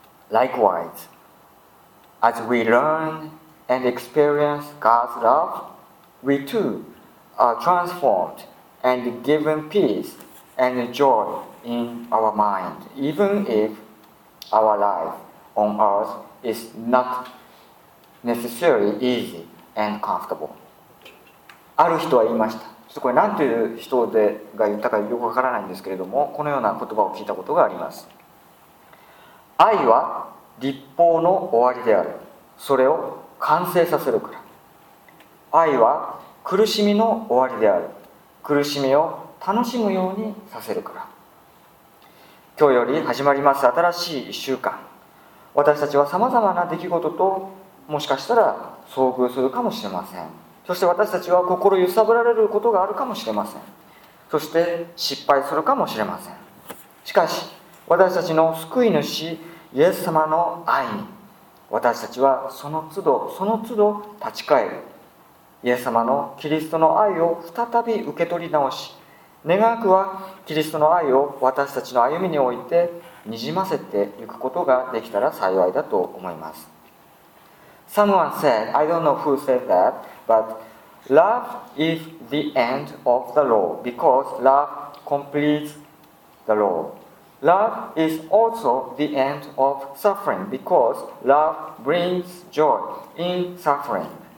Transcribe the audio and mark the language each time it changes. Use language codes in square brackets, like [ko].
[en] Likewise, as we learn and experience God's love,We too are transformed and given peace and joy in our mind, even if our life on earth is not necessarily easy and comfortable. [ja] ある人は言いました。ちょっとこれ何という人でが言ったかよくわからないんですけれども、このような言葉を聞いたことがあります。愛は立法の終わりである。それを完成させるから。愛は苦しみの終わりである。苦しみを楽しむようにさせるから。今日より始まります新しい1週間、私たちはさまざまな出来事ともしかしたら遭遇するかもしれません。そして私たちは心揺さぶられることがあるかもしれません。そして失敗するかもしれません。しかし私たちの救い主イエス様の愛に私たちはその都度その都度立ち返る。イエス様のキリストの愛を再び受け取り直し、願くはキリストの愛を私たちの歩みにおいてにじませていくことができたら幸いだと思います。 [en] Someone said, I don't know who said that, but love is the end of the law because love completes the law. Love is also the end of suffering because love brings joy in suffering.